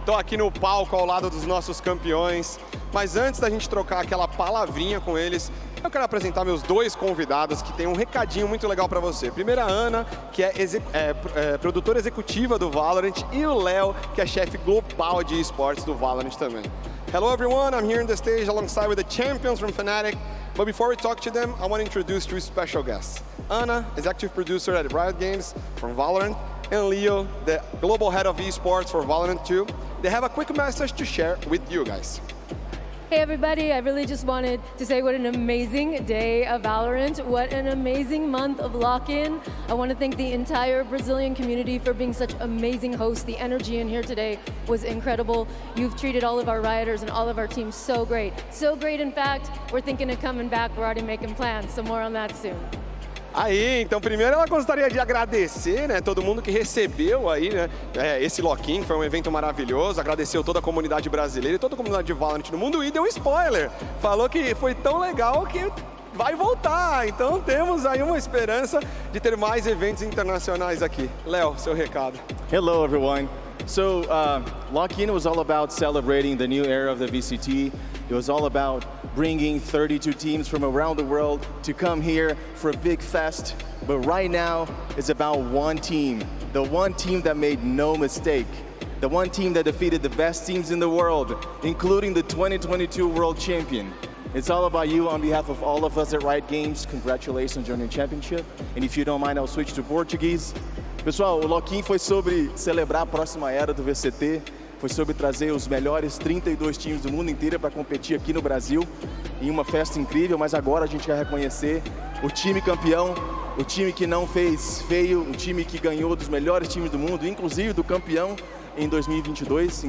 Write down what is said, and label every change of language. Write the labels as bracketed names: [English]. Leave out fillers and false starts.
[Portuguese] Tô aqui no palco ao lado dos nossos campeões. Mas antes da gente trocar aquela palavrinha com eles, eu quero apresentar meus dois convidados que têm um recadinho muito legal pra você. Primeiro a Ana, que é produtora executiva do Valorant, e o Léo, que é chefe global de esportes do Valorant também. [English] Hello everyone, I'm here on the stage alongside with the champions from Fnatic. But before we talk to them, I want to introduce two special guests. Ana, executive producer at Riot Games from Valorant, and Leo, the global head of esports for Valorant 2. They have a quick message to share with you guys. Hey everybody, I really just wanted to say what an amazing day of Valorant, what an amazing month of lock-in. I want to thank the entire Brazilian community for being such amazing hosts. The energy in here today was incredible. You've treated all of our Rioters and all of our teams so great. So great, in fact, we're thinking of coming back, we're already making plans, so more on that soon. [Portuguese] Aí, então, primeiro ela gostaria de agradecer, né, todo mundo que recebeu aí, né, esse lock-in, foi um evento maravilhoso, agradeceu toda a comunidade brasileira e toda a comunidade de Valorant no mundo e deu um spoiler, falou que foi tão legal que vai voltar, então temos aí uma esperança de ter mais eventos internacionais aqui. Léo, seu recado. [English] Hello, everyone. So, lock-in was all about celebrating the new era of the VCT. It was all about bringing 32 teams from around the world to come here for a big fest. But right now, it's about one team. The one team that made no mistake. The one team that defeated the best teams in the world, including the 2022 World Champion. It's all about you on behalf of all of us at Riot Games. Congratulations on your championship. And if you don't mind, I'll switch to Portuguese. [Portuguese] Pessoal, o lock-in foi sobre celebrar a próxima era do VCT. Foi sobre trazer os melhores 32 times do mundo inteiro para competir aqui no Brasil em uma festa incrível, mas agora a gente vai reconhecer o time campeão, o time que não fez feio, o time que ganhou dos melhores times do mundo, inclusive do campeão em 2022.